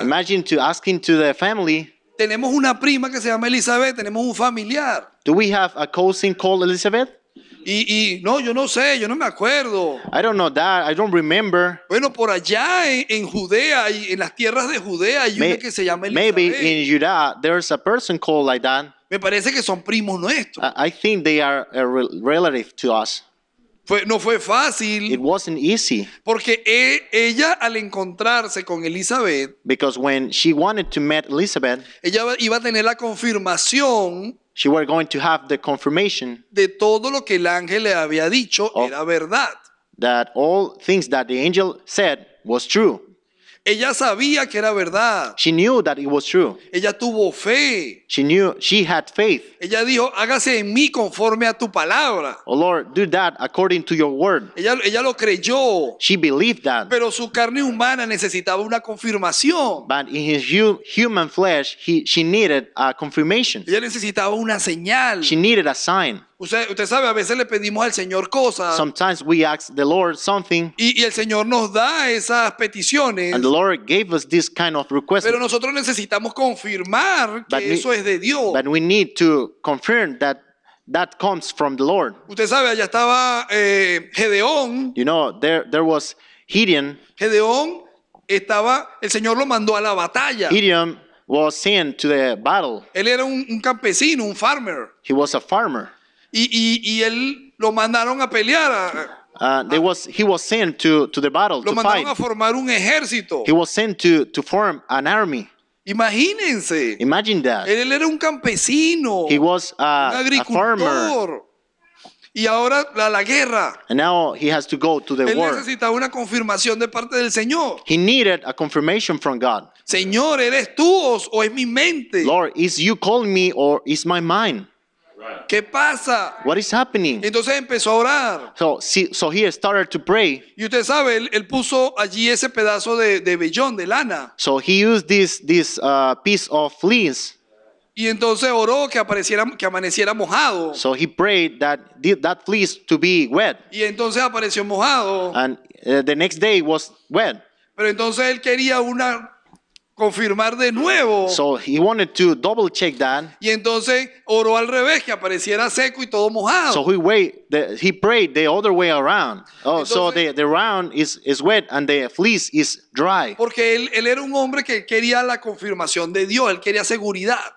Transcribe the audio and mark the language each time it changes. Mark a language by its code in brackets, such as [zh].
[en] Imagine to asking to the family. [es] Tenemos una prima que se llama Elizabeth, tenemos un familiar. [en] Do we have a cousin called Elizabeth? [es] Y no, yo no sé, yo no me acuerdo. [en] I don't know that, I don't remember. [es] Bueno, por allá en Judea y en las tierras de Judea hay una que se llama Elizabeth. [en] Maybe in Judah there's a person called like that. [es] Me parece que son primos nuestros. [en] I think they are a relative to us. [es] No fue fácil. [en] It wasn't easy. [es] Porque ella al encontrarse con Elizabeth, [en] because when she wanted to meet Elizabeth, [es] ella iba a tener la confirmación. [en] She was going to have the confirmation [es] de todo lo que el ángel le había dicho era verdad. [en] That all things that the angel said was true. [es] Ella sabía que era verdad. [en] She knew that it was true. [es] Ella tuvo fe. [en] She knew she had faith. [es] Ella dijo, hágase en mí conforme a tu palabra. [en] Oh Lord, do that according to your word. [es] Ella lo creyó. [en] She believed that. [es] Pero su carne humana necesitaba una confirmación. [en] But in his human flesh, she needed a confirmation. [es] Ella necesitaba una señal. [en] She needed a sign. [es] Usted sabe, a veces le pedimos al Señor cosas. [en] Sometimes we ask the Lord something. [es] Y el Señor nos da esas peticiones. [en] And the Lord gave us this kind of request. [es] Pero nosotros necesitamos confirmar que eso es de Dios. [en] But we need to confirm that that comes from the Lord. [es] Usted sabe, allá estaba Gedeón. [en] You know, there was Gideon. [es] Gedeón estaba, el Señor lo mandó a la batalla. [en] Gideon was sent to the battle. [es] Él era un campesino, un farmer. [en] He was a farmer. [es] Y él lo mandaron a pelear. [en] He was sent to the battle to fight. [es] Lo mandaron a formar un ejército. [en] He was sent to form an army. [es] Imagínense. [en] Imagine that. [es] Él era un campesino. [en] He was [es] un agricultor. [en] A farmer. [es] Y ahora la guerra. [en] And now he has to go to the [es] él [en] war. [es] Él necesitaba una confirmación de parte del Señor. [en] He needed a confirmation from God. [es] Señor, ¿eres tú o es mi mente? [en] Lord, is you calling me or is my mind? [es] ¿Qué pasa? [en] What is happening? [es] Entonces empezó a orar. [en] So he started to pray. [es] Y usted sabe, él puso allí ese pedazo de vellón, de lana. [en] So he used this piece of fleece. [es] Y entonces oró que amaneciera mojado. [en] So he prayed that fleece to be wet. [es] Y entonces apareció mojado. [en] And the next day was wet. [es] Pero entonces él quería una confirmar de nuevo. [en] So he wanted to double check that. [es] Y entonces oró al revés, que apareciera seco y todo mojado. [en] So he prayed the other way around. [es] Entonces, [en] so the round is wet and the fleece is dry. [es] Porque él era un hombre que quería la confirmación de Dios, él quería seguridad.